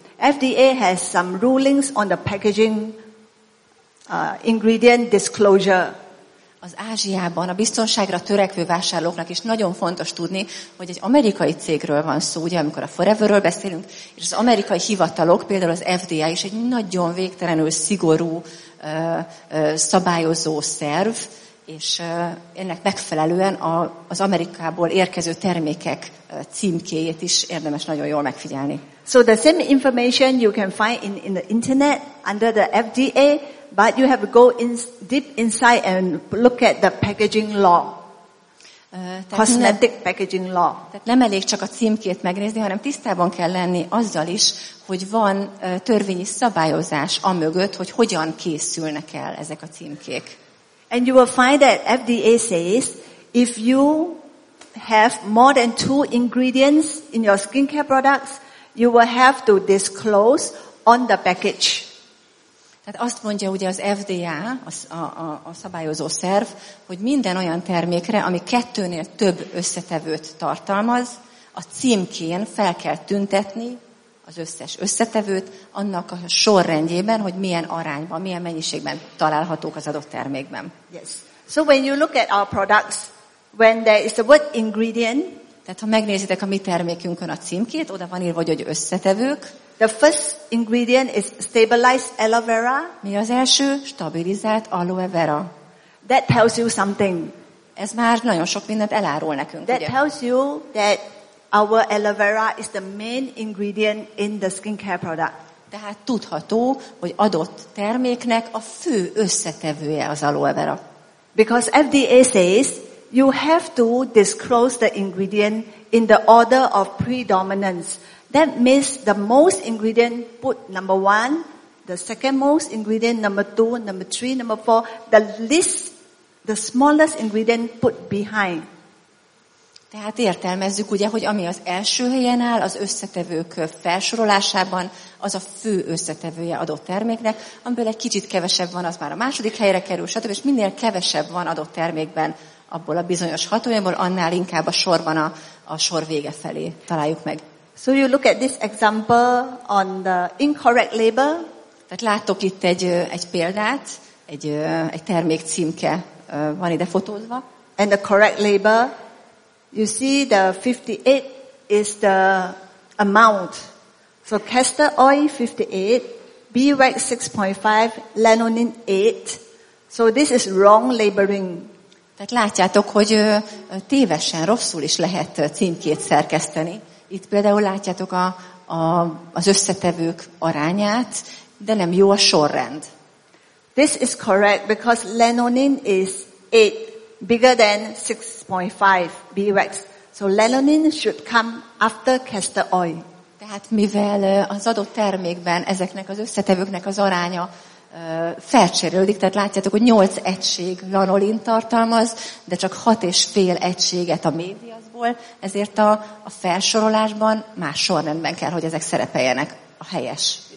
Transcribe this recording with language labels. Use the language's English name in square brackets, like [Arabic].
[English] FDA has some rulings on the packaging ingredient disclosure. [Hungarian] Az Ázsiában a biztonságra törekvő vásárlóknak is nagyon fontos tudni, hogy egy amerikai cégről van szó, ugye, amikor a Foreverről beszélünk, és az amerikai hivatalok, például az FDA is egy nagyon végtelenül szigorú szabályozó szerv, és ennek megfelelően az Amerikából érkező termékek címkéjét is érdemes nagyon jól megfigyelni. [English] So the same information you can find in the internet under the FDA, but you have to go deep inside and look at the packaging law. Cosmetic packaging law. [Hungarian] Tehát nem elég csak a címkét megnézni, hanem tisztában kell lenni azzal is, hogy van törvényi szabályozás amögött, hogy hogyan készülnek el ezek a címkék. [English] And you will find that FDA says if you have more than two ingredients in your skincare products, you will have to disclose on the package. [Hungarian] Tehát azt mondja ugye az FDA, a szabályozó szerv, hogy minden olyan termékre, ami kettőnél több összetevőt tartalmaz, a címkén fel kell tüntetni az összes összetevőt annak a sorrendjében, hogy milyen arányban, milyen mennyiségben találhatók az adott termékben. [English] Yes. So when you look at our products, when there is the word ingredient, [Hungarian] tehát ha megnézitek a mi termékünkön a címkét, oda van írva, hogy összetevők. [English] The first ingredient is stabilized aloe vera. [Hungarian] Mi az első? Stabilizált aloe vera. [English] That tells you something. [Hungarian] Ez már nagyon sok mindent elárul nekünk. [English] That [Hungarian] ugye? [English] Tells you that our aloe vera is the main ingredient in the skincare product. [Hungarian] Tehát tudható, hogy adott terméknek a fő összetevője az aloe vera. [English] Because FDA says you have to disclose the ingredient in the order of predominance. That means the most ingredient put number one, the second most ingredient number two, number three, number four, the least, the smallest ingredient put behind. [Hungarian] Tehát értelmezzük ugye, hogy ami az első helyen áll, az összetevők felsorolásában, az a fő összetevője adott terméknek, amiből egy kicsit kevesebb van, az már a második helyre kerül, stb. És minél kevesebb van adott termékben abból a bizonyos hatóanyagból, annál inkább a sorban a sor vége felé találjuk meg. [English] So you look at this example on the incorrect label. [Hungarian] Tehát láttok itt egy példát, egy termék címke van ide fotózva. [English] And the correct label, you see the 58 is the amount. So castor oil 58, beeswax 6.5, lanolin 8. So this is wrong labeling. [Hungarian] Tehát látjátok, hogy tévesen, rosszul is lehet címkét szerkeszteni. Itt például látjátok az összetevők arányát, de nem jó a sorrend. [English] This is correct because lanolin is 8, bigger than 6.5 beeswax. So lanolin should come after castor oil. [Hungarian] Tehát mivel az adott termékben ezeknek az összetevőknek az aránya felcserélődik, tehát látjátok, hogy 8 egység lanolin tartalmaz, de csak 6,5 egységet a média. Ezért a felsorolásban más sorrendben kell, hogy ezek szerepeljenek a helyes.